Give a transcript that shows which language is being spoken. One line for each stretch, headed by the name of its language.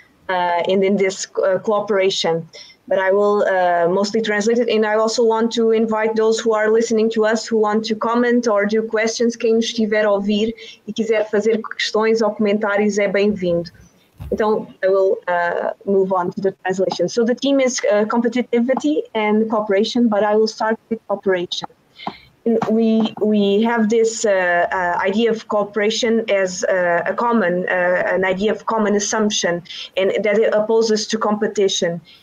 English: and in this cooperation. But I will mostly translate it. And I also want to invite those who are listening to us, who want to comment or do questions.
Portuguese: Quem nos estiver a ouvir e quiser fazer questões ou comentários é bem-vindo.
English: Então, I will move on to the translation. So the theme is competitivity and cooperation, but I will start with cooperation. And we have this idea of cooperation as an idea of common assumption, and that it opposes to competition.